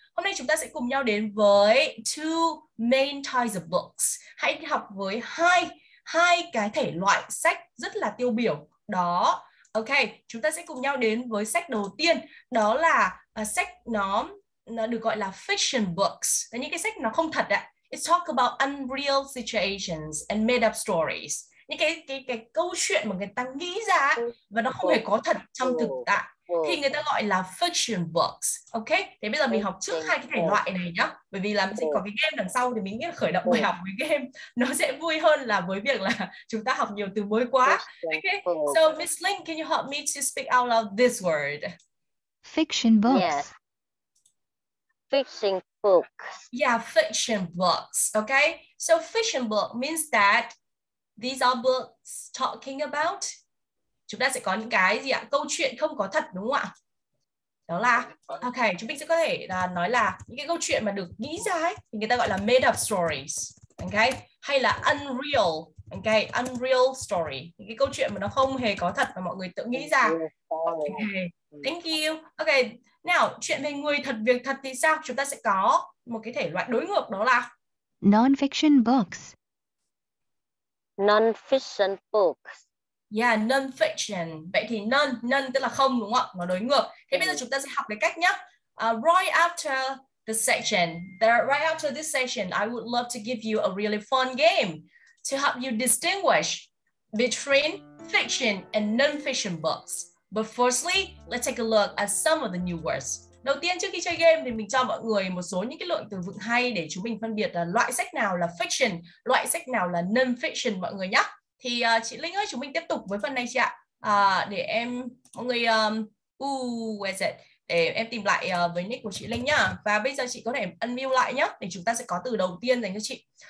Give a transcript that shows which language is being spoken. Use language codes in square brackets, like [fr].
[vi] Hôm nay chúng ta sẽ cùng nhau đến với [en] two main types of books. [vi] Hãy học với hai cái thể loại sách rất là tiêu biểu đó. Ok, chúng ta sẽ cùng nhau đến với sách đầu tiên. Đó là sách nó được gọi là fiction books. Là những cái sách nó không thật ạ. [en] It's talk about unreal situations and made up stories. [vi] Những cái câu chuyện mà người ta nghĩ ra và nó không hề có thật trong thực tại thì người ta gọi là fiction books. Ok, thế bây giờ mình học trước hai cái thể loại này nhá, bởi vì là mình sẽ có cái game đằng sau thì mình nghĩ là khởi động bài học với game nó sẽ vui hơn là với việc là chúng ta học nhiều từ mới quá. [en] Ok, so Miss Linh, can you help me to speak out loud this word? Fiction books. Yes. Fiction books. Yeah, fiction books. Okay, so fiction book means that these are books talking about. [vi] Chúng ta sẽ có những cái gì ạ? Câu chuyện không có thật đúng không ạ? Đó là, ok, chúng mình sẽ có thể nói là những cái câu chuyện mà được nghĩ ra ấy, thì người ta gọi là [en] made up stories. Ok, [vi] hay là [en] unreal. Ok, unreal story. [vi] Những cái câu chuyện mà nó không hề có thật mà mọi người tự nghĩ ra. Ok, [en] thank you. Ok, now, [vi] chuyện về người thật, việc thật thì sao? Chúng ta sẽ có một cái thể loại đối ngược đó là [en] non-fiction books. Non-fiction books. Yeah, non-fiction. [vi] Vậy thì non tức là không đúng không ạ? Nó đối ngược. Thế bây giờ chúng ta sẽ học cái cách nhé. [en] Right after the section, right after this section, I would love to give you a really fun game to help you distinguish between fiction and non-fiction books. But firstly, let's take a look at some of the new words. [vi] Đầu tiên trước khi chơi game thì mình cho mọi người một số những cái lượng từ vựng hay để chúng mình phân biệt là loại sách nào là fiction, loại sách nào là non-fiction mọi người nhé. Thì chị Linh ơi, chúng mình tiếp tục với phần này chị ạ. Để em, mọi người, [en] where is it? [vi] Để em tìm lại với nick của chị Linh nhá. Và bây giờ chị có thể unmute lại nhé, để chúng ta sẽ có từ đầu tiên dành cho chị.